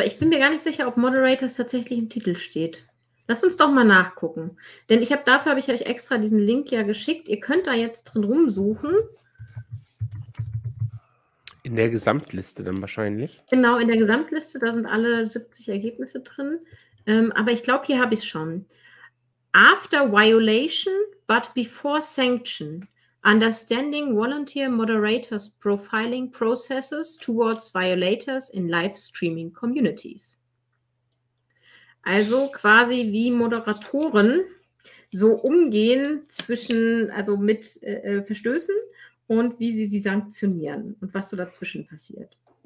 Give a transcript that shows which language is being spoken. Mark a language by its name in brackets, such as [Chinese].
[German] Ich bin mir gar nicht sicher, ob Moderators tatsächlich im Titel steht. Lass uns doch mal nachgucken. Denn dafür habe ich euch extra diesen Link ja geschickt. Ihr könnt da jetzt drin rumsuchen. In der Gesamtliste dann wahrscheinlich. Genau, in der Gesamtliste, da sind alle 70 Ergebnisse drin. Aber ich glaube, hier habe ich es schon. [English] After violation, but before sanction. Understanding volunteer moderators profiling processes towards violators in live streaming communities. [German] Also quasi wie Moderatoren so umgehen mit Verstößen. Und wie sie sie sanktionieren und was so dazwischen passiert.